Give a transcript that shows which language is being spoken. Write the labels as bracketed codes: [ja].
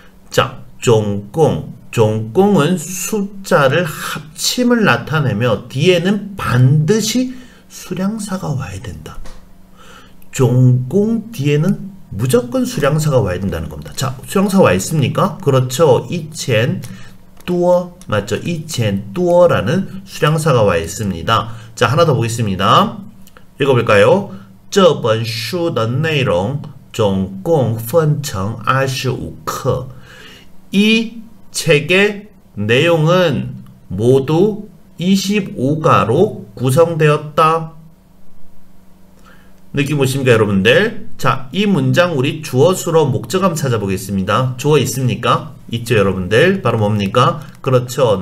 [ko] 자, 종공은 숫자를 합침을 나타내며 뒤에는 반드시 수량사가 와야 된다. 종공 뒤에는 무조건 수량사가 와야 된다는 겁니다. 자, 수량사 와 있습니까? 그렇죠. 이첸 뚜어 맞죠? 이첸 뚜어라는 수량사가 와 있습니다. 자, 하나 더 보겠습니다. 읽어볼까요? [zh] 这本书的内容总共分成25课. [ko] 이 책의 내용은 모두 25가로 구성되었다. 느낌 오십니까, 여러분들? 자, 이 문장 우리 주어, 수로, 목적어 한번 찾아보겠습니다. 주어 있습니까? 있죠, 여러분들? 바로 뭡니까? 그렇죠.